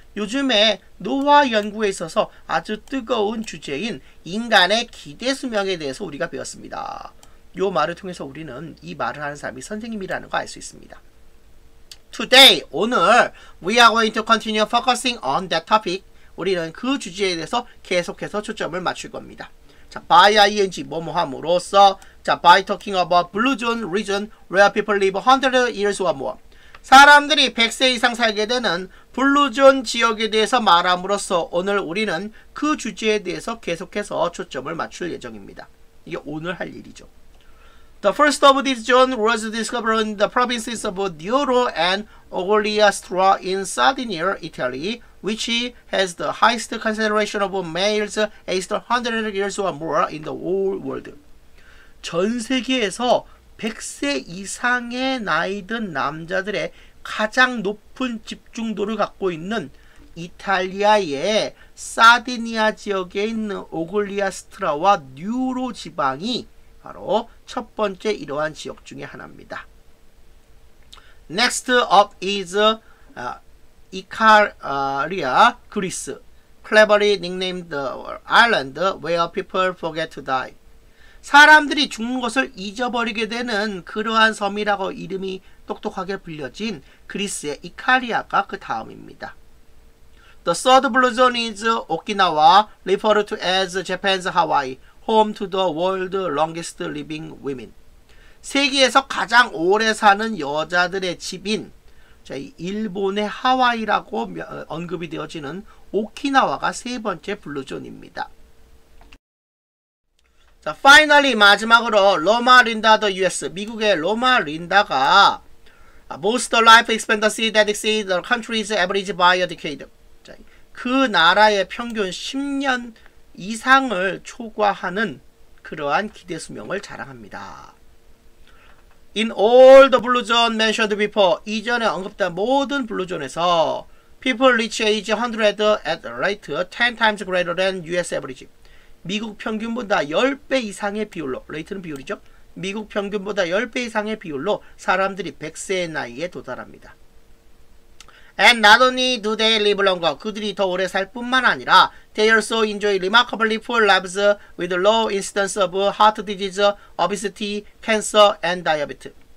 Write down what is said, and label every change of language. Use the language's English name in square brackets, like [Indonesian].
[Korean] 요즘에 노화 연구에 있어서 아주 뜨거운 주제인 인간의 기대 수명에 대해서 우리가 배웠습니다. 요 말을 통해서 우리는 이 말을 하는 사람이 선생님이라는 걸 알 수 있습니다. [English] Today, [Korean] 오늘, [English] we are going to continue focusing on that topic. [Korean] 우리는 그 주제에 대해서 계속해서 초점을 맞출 겁니다. [English] 자, by ing, [Korean] 뭐뭐 함으로써, [English] 자, by talking about blue zone region where people live 100 years or more. [Korean] 사람들이 100세 이상 살게 되는 블루존 지역에 대해서 말함으로써 오늘 우리는 그 주제에 대해서 계속해서 초점을 맞출 예정입니다. 이게 오늘 할 일이죠. [English] The first of this zone was discovered in the provinces of Nuoro and Ogliastra in Sardinia, Italy, which has the highest concentration of males aged 100 years or more in the whole world. [Korean] 전 세계에서 100세 이상의 나이든 남자들의 가장 높은 집중도를 갖고 있는 이탈리아의 사디니아 지역에 있는 오글리아스트라와 뉴로 지방이 바로 첫 번째 이러한 지역 중에 하나입니다. [English] Next up is Icaria, Greece, cleverly nicknamed the island where people forget to die. [Korean] 사람들이 죽는 것을 잊어버리게 되는 그러한 섬이라고 이름이 똑똑하게 불려진 그리스의 이카리아가 그 다음입니다. [English] The third blue zone is Okinawa, referred to as Japan's Hawaii, home to the world's longest living women. [Korean] 세계에서 가장 오래 사는 여자들의 집인 일본의 하와이라고 언급이 되어지는 오키나와가 세 번째 블루 존입니다. [English] Finally, [Korean] 마지막으로 로마 린다 더 US, 미국의 로마 린다가 [English] boast the life expectancy that exceeds the country's average by a decade. [Korean] 그 나라의 평균 10년 이상을 초과하는 그러한 기대 수명을 자랑합니다. [English] In all the blue zone mentioned before, [Korean] 이전에 언급된 모든 블루 존에서 [English] people reach age 100 at rate 10 times greater than US average. [Korean] 미국 평균보다 10배 이상의 비율로, 레이트는 비율이죠? 미국 평균보다 10배 이상의 비율로 사람들이 100세의 나이에 도달합니다. [English] And not only do they live longer, [Korean] 그들이 더 오래 살 뿐만 아니라 [English] they also enjoy remarkably full lives with low incidence of heart disease, obesity, cancer, and diabetes.